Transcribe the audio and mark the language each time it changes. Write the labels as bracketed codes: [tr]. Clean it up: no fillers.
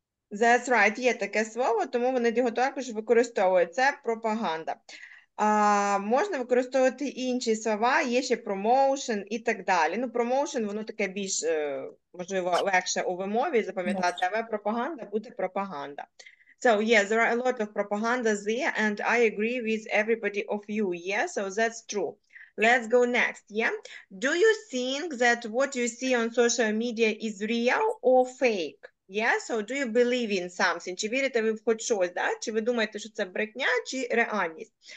[en] That's right. [uk] Є таке слово, тому вони його також використовують. Це пропаганда. Можна використовувати інші слова. Є ще promotion і так далі. Ну, promotion, воно таке більш, можливо, легше у вимові запам'ятати. Але пропаганда буде пропаганда. [en] So, yes, there are a lot of propaganda there, and I agree with everybody of you, yeah? So, that's true. Let's go next, yeah? Do you think that what you see on social media is real or fake? Yeah? So, do you believe in something? [uk] Чи вірите ви в хоч щось, да? Чи ви думаєте, що це брехня, чи реальність?